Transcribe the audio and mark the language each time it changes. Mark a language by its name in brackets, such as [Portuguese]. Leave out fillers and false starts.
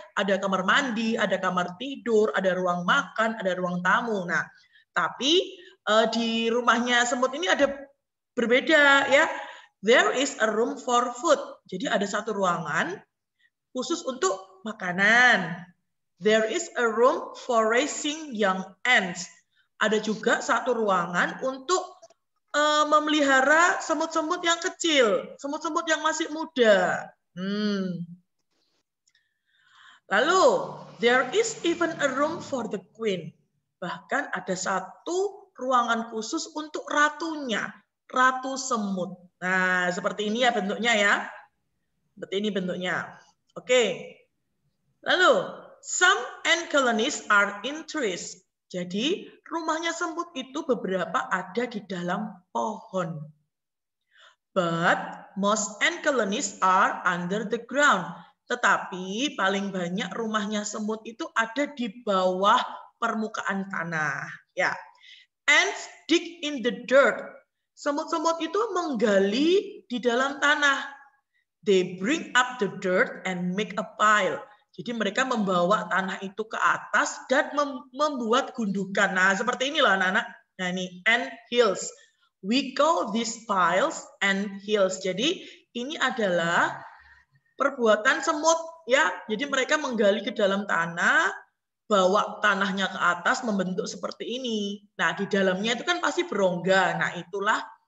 [Indonesian] Ada kamar mandi, ada kamar tidur, ada ruang makan, ada ruang tamu. Nah, tapi di rumahnya semut ini ada berbeda ya. [English] There is a room for food. [Indonesian] Jadi ada satu ruangan khusus untuk makanan. [English] There is a room for raising young ants. [Indonesian] Ada juga satu ruangan untuk memelihara semut-semut yang kecil, semut-semut yang masih muda. [English] Lalu, there is even a room for the queen. [Indonesian] Bahkan ada satu ruangan khusus untuk ratunya, ratu semut. Nah, seperti ini ya bentuknya ya. Seperti ini bentuknya. Oke. [English] Lalu, some ant colonies are in trees. [Indonesian] Jadi, rumahnya semut itu beberapa ada di dalam pohon. [English] But most ant colonies are under the ground. [Indonesian] Tetapi paling banyak rumahnya semut itu ada di bawah permukaan tanah. Ya. [English] Ants dig in the dirt. [Indonesian] Semut-semut itu menggali di dalam tanah. [English] They bring up the dirt and make a pile. [Indonesian] Jadi mereka membawa tanah itu ke atas dan membuat gundukan. Nah, seperti inilah anak-anak. [English] Nah, ini ant hills. We call these piles ant hills. [Indonesian] Jadi ini adalah perbuatan semut ya. Jadi mereka menggali ke dalam tanah, bawa tanahnya ke atas membentuk seperti ini. Nah, di dalamnya itu kan pasti berongga. Nah, itulah